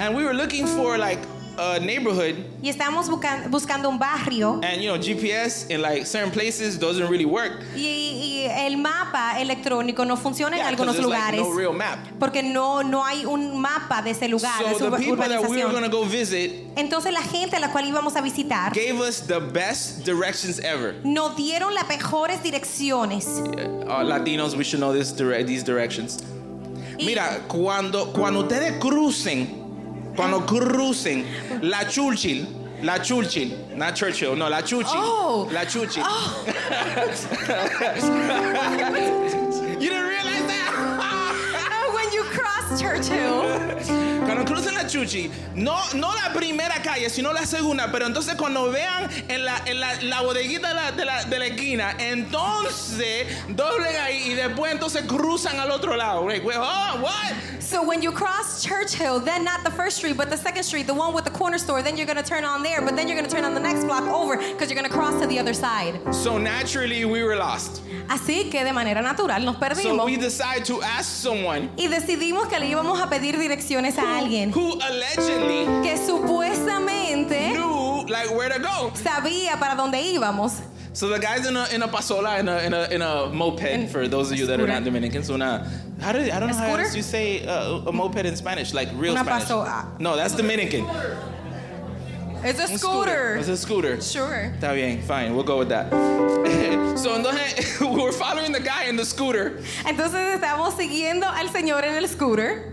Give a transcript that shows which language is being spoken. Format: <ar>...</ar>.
<en>And we were looking for like a neighborhood.</en> <es>Y estábamos buscando un barrio.</es> <en>And you know, GPS in like certain places doesn't really work.</en> <es>Y el mapa electrónico no funciona,</es> <en>yeah,</en> <es>en algunos lugares.</es> <en>Like no real map.</en> <es>Porque no hay un mapa de ese lugar.</es> <en>So</en> <es>de su</es> <en>the people that we were going to go visit.</en> <es>Entonces la gente a la cual íbamos a visitar.</es> <en>Gave us the best directions ever.</en> <es>Nos dieron las mejores direcciones.</es> <en>Latinos, we should know this these directions.</en> <es>Mira, cuando ustedes crucen. Cuando crucen la Churchill,</es> <en>not Churchill,</en> <es>no, la Churchill. Oh. La Churchill. Oh.</es> <en>You didn't realize that? When you cross Churchill.</en> <es>Cuando crucen la Churchill, no la primera calle, sino la segunda, pero entonces cuando vean en la bodeguita de la esquina, entonces doblen ahí y después entonces cruzan al otro lado.</es> <en>Like, wait, oh, what? So when you cross Churchill, then not the first street, but the second street, the one with the corner store, then you're going to turn on there, but then you're going to turn on the next block over because you're going to cross to the other side. So naturally, we were lost.</en> <es>Así que de manera natural nos perdimos.</es> <en>So we decided to ask someone.</en> <es>Y decidimos que le íbamos a pedir direcciones a alguien.</es> <en>Who allegedly.</en> <es>Que supuestamente.</es> <en>Knew, like, where to go.</en> <es>Sabía para dónde íbamos.</es> <en>So the guy's in a pasola, in a moped, for those of you that are not Dominicans. I don't know how else you say a moped in Spanish, like real</en> <es>una</es> <en>Spanish.</en> <es>Pasola.</es> <en>No, that's Dominican. It's a scooter. It's a scooter. Sure.</en> <es>Está bien,</es> <en>fine, we'll go with that. So entonces, we were following the guy in the scooter.</en> <es>Entonces estamos siguiendo al señor en el scooter.</es>